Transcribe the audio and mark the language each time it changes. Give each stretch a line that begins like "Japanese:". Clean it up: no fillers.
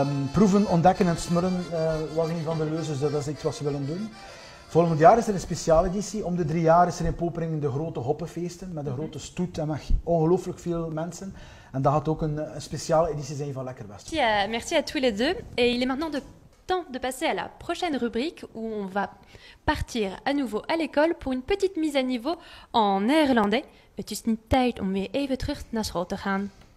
Dutch: Proeven, ontdekken en smullen was een van de leuzes, dat is iets wat ze willen doen. Volgend jaar is er een speciale editie. Om de 3 jaar is er in Poperingen de grote hoppenfeesten met een grote stoet en met ongelooflijk veel mensen. En dat gaat ook een speciale editie zijn van Lekker West.
French: Ja, merci à tous les deux. Et il est maintenant de temps de passer à la prochaine rubrique où on va partir à nouveau à l'école pour une petite mise à niveau en néerlandais.
Dutch: Het is niet tijd om weer even terug naar school te gaan.